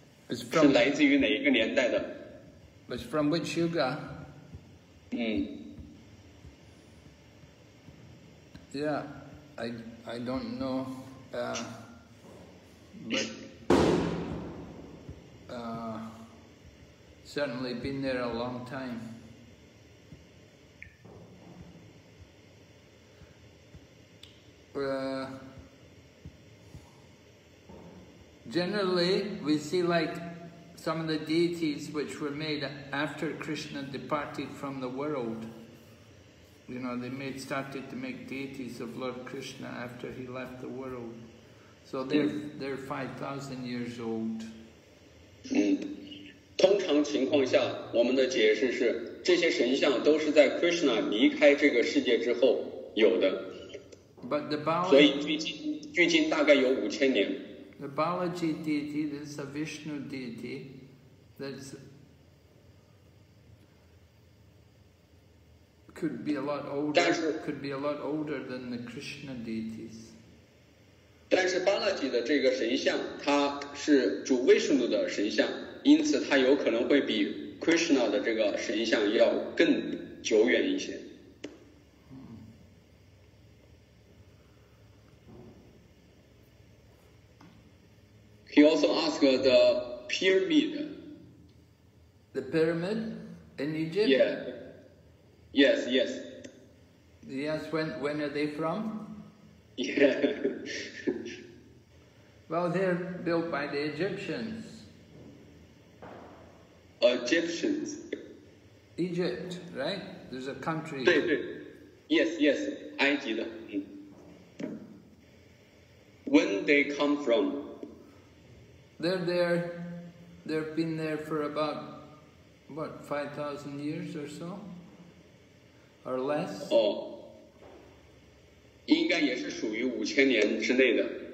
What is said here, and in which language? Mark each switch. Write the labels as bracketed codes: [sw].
[zh] 是来自于哪一个年代的 [en] ？It's from which yoga? Yeah, I don't know, but certainly been there a long time. Generally, we see like some of the deities which were made after Krishna departed from the world. You know, they started to make deities of Lord Krishna after he left the world. So they're 5,000 years old. [zh] 通常情况下，我们的解释是，这些神像都是在 Krishna 离开这个世界之后有的。 [en] But the Balaji, [zh] 所以距今大概有5000年。 [en] The Balaji deity, that's a Vishnu deity, that's... Could be a lot older. Could be a lot older than the Krishna deities. [zh] 但是巴拉吉的这个神像，它是主维什努的神像，因此它有可能会比 Krishna 的这个神像要更久远一些。 [en] He also asked the pyramid. The pyramid in Egypt. Yeah. Yes, yes. Yes, when are they from? Yeah. Well, they're built by the Egyptians. Egyptians. Egypt, right? There's a country. [zh] 对对 [en] Yes, yes. [zh] 埃及的 [en] When they come from? They're there. They've been there for about, what, 5,000 years or so? Or less? [zh] Oh, 应该也是属于五千年之内的。